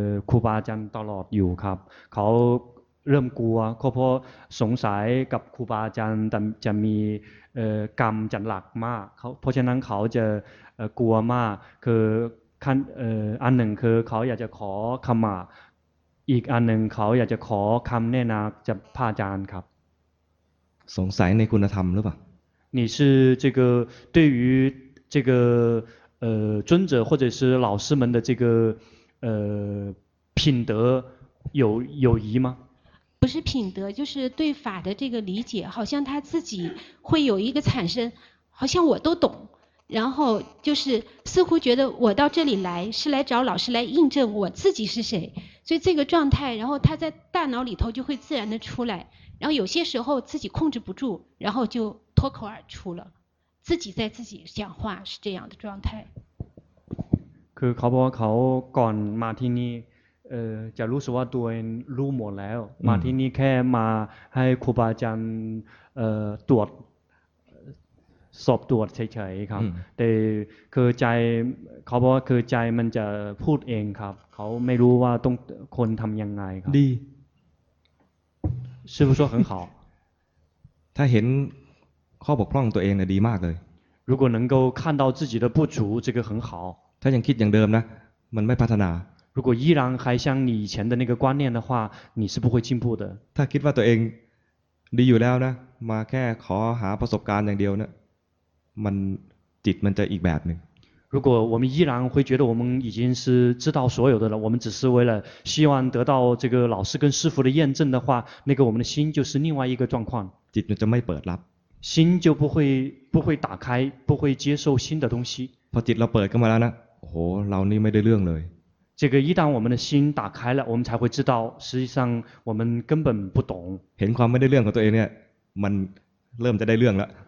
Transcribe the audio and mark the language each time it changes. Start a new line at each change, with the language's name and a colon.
Thai: ครูบาอาจารย์ตลอดอยู่ครับเขาเริ่มกลัวเพราะสงสัยกับครูบาอาจารย์จะมีกรรมจันหลักมากเพราะฉะนั้นเขาจะกลัวมากคือขั้นอันหนึ่งคือเขาอยากจะขอขมาอีกอันหนึ่งเขาอยากจะขอคำแนะนำจากพระอาจารย์ครับ สงสัยในคุณธรรมหรือเปล่า
Chinese: 你是这个对于这个尊者或者是老师们的这个品德有疑吗？不是品德，就是对法的这个理解，好像他自己会有一个产生，好像我都懂，然后就是似乎觉得我到这里来是来找老师来印证我自己是谁，所以这个状态，然后他在大脑里头就会自然的出来，然后有些时候自己控制不住，然后就。脱口而出了自己在自己讲话是这样的状态
Thai: คือเขาบอกว่าเขาก่อนมาที่นี่จะรู้สึกว่าตัวเองรู้หมดแล้วมาที่นี่แค่มาให้ครูบาอาจารย์ตรวจสอบตรวจเฉยๆครับแต่คือใจเขาบอกว่าคือใจมันจะพูดเองครับเขาไม่รู้ว่าต้องคนทำยังไงครับ ดี
Chinese: 师父说很好
Thai: ถ้าเห็นข้อบกพร่องตัวเองเนี่ยดีมากเลย
Chinese: 如果能够看到自己的不足这个很好
Thai: ถ้ายังคิดอย่างเดิมนะมันไม่พัฒนา
Chinese: 如果依然还像你以前的那个观念的话你是不会进步的
Thai: ถ้าคิดว่าตัวเองดีอยู่แล้วนะมาแค่ขอหาประสบการณ์อย่างเดียวนะมันจิตมันจะอีกแบบนึง
Chinese: 如果我们依然会觉得我们已经是知道所有的了我们只是为了希望得到这个老师跟师父的验证的话那个我们的心就是另外一个状况
Thai: จิตมันจะไม่เปิดรับ
Chinese: 心就不会打开不会接受新的东西
Thai: พอจิตเราเปิดขึ้นมาแล้วนะโหเรานี่ไม่ได้เรื่องเลย
Chinese: 这个一旦我们的心打开了我们才会知道实际上我们根本不懂
Thai: เห็นความไม่ได้เรื่องของตัวเองเนี่ยมันเริ่มจะได้เรื่องแล้ว